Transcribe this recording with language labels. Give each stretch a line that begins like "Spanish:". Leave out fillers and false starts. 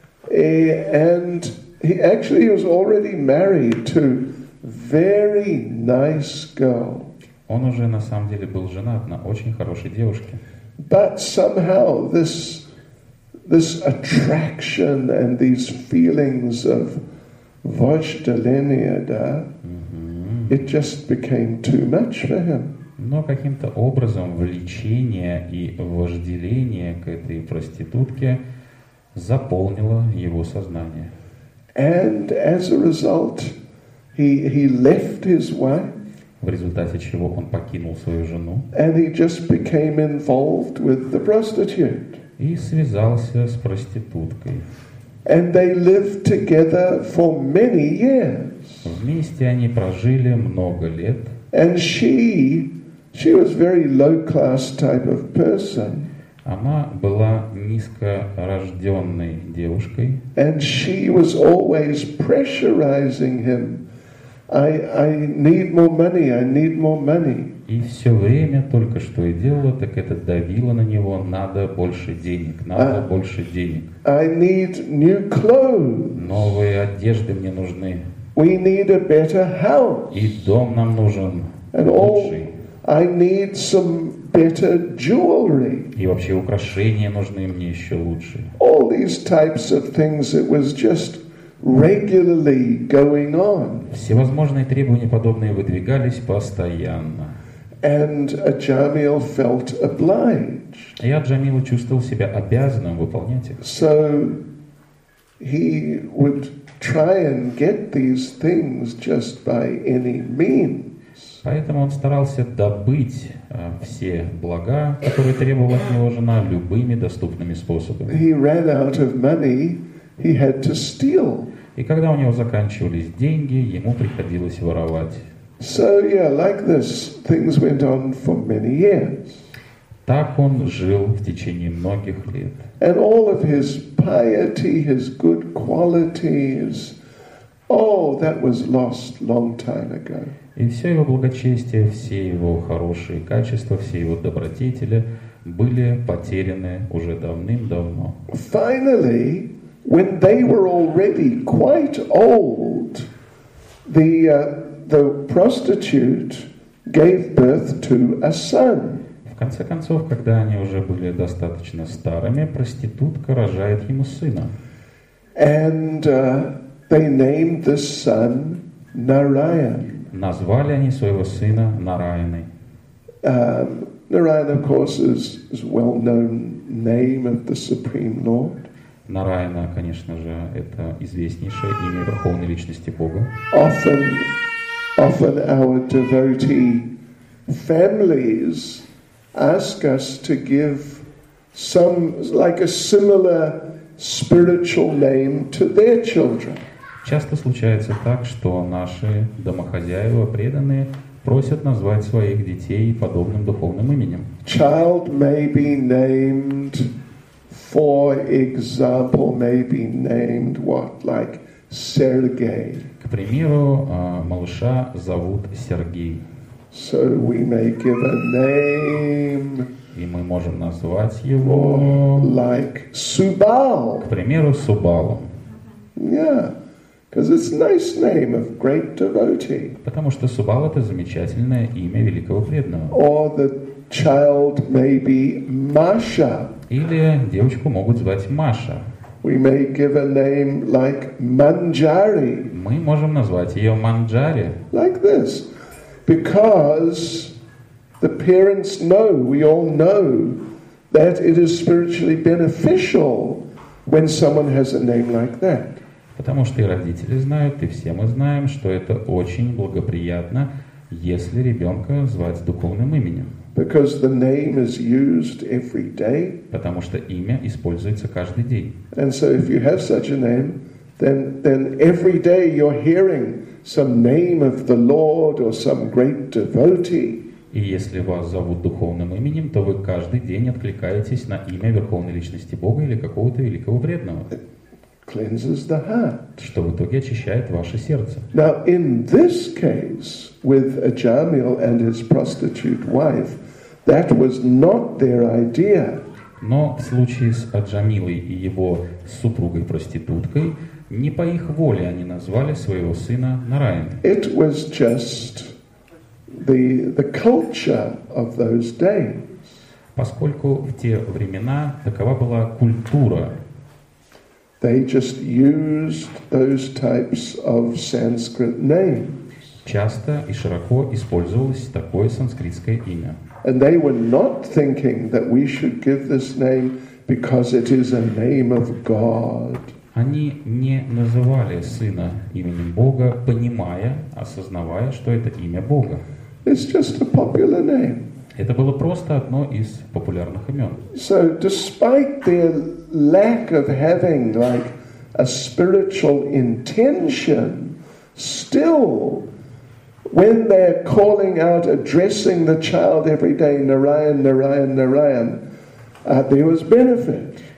English: And he actually was already married to very nice girl.
Russian: Он уже на самом деле был женат на очень хорошей девушке.
English: But somehow this attraction and these feelings of
Russian: vajdalenia, да,
English: it just became too much for him.
Russian: Но каким-то образом влечение и вожделение к этой проститутке заполнило его сознание.
English: And as a result, he left his wife.
Russian: В результате чего он покинул свою жену.
English: And he just became involved with the prostitute.
Russian: И связался с проституткой.
English: And they lived together for many years.
Russian: Вместе они прожили много лет.
English: And she was very low-class type of person.
Russian: Она была низкорожденной девушкой.
English: And she was always pressurizing him. I need more money, I need more money.
Russian: И все время только что и делала, так это давило на него, надо больше денег, надо больше денег.
English: I need new clothes.
Russian: Новые одежды мне нужны.
English: We need a better house.
Russian: И дом нам нужен лучший.
English: I need some better jewelry.
Russian: И вообще украшения нужны мне еще лучше.
English: All these types of things, it was just regularly going on.
Russian: Всевозможные требования подобные выдвигались постоянно.
English: And Ajamil felt obliged.
Russian: И Аджамил чувствовал себя обязанным выполнять их.
English: So he would try and get these things just by any means.
Russian: Поэтому он старался добыть все блага, которые требовала от него жена, любыми доступными способами.
English: He ran out of money. He had to steal.
Russian: И когда у него заканчивались деньги, ему приходилось воровать.
English: So, yeah, like this, things went on for many years.
Russian: Так он жил в течение многих лет.
English: And all of his piety, his good qualities, oh, that was lost long time ago.
Russian: И все его благочестие, все его хорошие качества, все его добродетели были потеряны уже давным-давно.
English: Finally, when they were already quite old, the prostitute gave birth to a son.
Russian: В конце концов, когда они уже были достаточно старыми, проститутка рожает ему сына.
English: And they named the son Narayan.
Russian: Назвали они своего сына Нараяной.
English: Narayan, of course, is well-known name of the Supreme Lord.
Russian: Нараяна, конечно же, это известнейшее имя Верховной Личности Бога.
English: Often our devotee families ask us to give some, like a similar spiritual name to their children.
Russian: Часто случается так, что наши домохозяева, преданные, просят назвать своих детей подобным духовным именем.
English: Child may be named, for example, may be named what, like Sergei.
Russian: К примеру, малыша зовут Сергей.
English: So we may give a name.
Russian: И мы можем назвать его
English: like Subal.
Russian: К примеру, Субалом.
English: Yeah, because it's nice name of great devotee.
Russian: Потому что Субал это замечательное имя великого преданного.
English: Or the child may be Masha.
Russian: Или девочку могут звать Маша.
English: We may give a name like Manjari.
Russian: Мы можем назвать ее Манджари.
English: Like this, because the parents know. We all know that it is spiritually beneficial when someone has a name like that.
Russian: Потому что и родители знают, и все мы знаем, что это очень благоприятно, если ребенка звать духовным именем.
English: Because the name is used every day.
Russian: Потому что имя используется каждый день.
English: And so if you have such a name, then every day you're hearing some name of the Lord or some great devotee.
Russian: И если вас зовут духовным именем, то вы каждый день откликаетесь на имя Верховной Личности Бога или какого-то великого преданного.
English: Cleanses the heart.
Russian: Что в итоге очищает ваше сердце.
English: Now in this case with Ajamil and his prostitute wife, that was not their idea.
Russian: Но в случае с Аджамилой и его супругой-проституткой, не по их воле они назвали своего сына Нараян.
English: It was just the culture of those days.
Russian: Поскольку в те времена такова была культура.
English: They just used those types of Sanskrit names.
Russian: Часто и широко использовалось такое санскритское имя.
English: And they were not thinking that we should give this name because it is a name of God.
Russian: Они не называли сына именем Бога, понимая, осознавая, что это имя Бога.
English: It's just a popular name.
Russian: Это было просто одно из популярных имен.
English: So, despite their lack of having like a spiritual intention, still, when they're calling out, addressing the child every day, Narayan, Narayan, Narayan, there was benefit.